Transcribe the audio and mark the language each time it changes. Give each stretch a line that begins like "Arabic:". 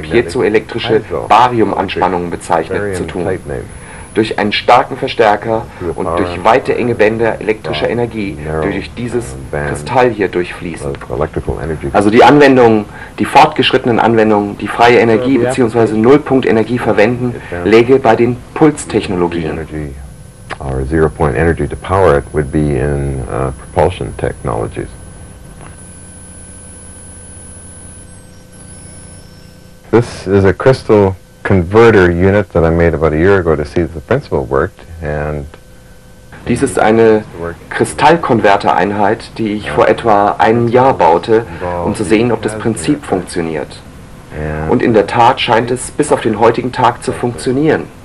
German: piezoelektrische Bariumanspannungen bezeichnet, zu tun. Durch einen starken Verstärker und durch weite enge Bänder elektrischer Energie, die durch dieses Kristall hier durchfließen. Also die Anwendungen, die fortgeschrittenen Anwendungen, die freie Energie bzw. Nullpunktenergie verwenden, läge bei den Pulstechnologien.
English: Our zero-point energy to power it would be in propulsion technologies. This is a crystal converter unit that I made about a year ago to see if the principle worked. And
German: dies ist eine Kristallkonvertereinheit, die ich vor etwa einem Jahr baute, um zu sehen, ob das Prinzip funktioniert. Und in der Tat scheint es bis auf den heutigen Tag zu funktionieren.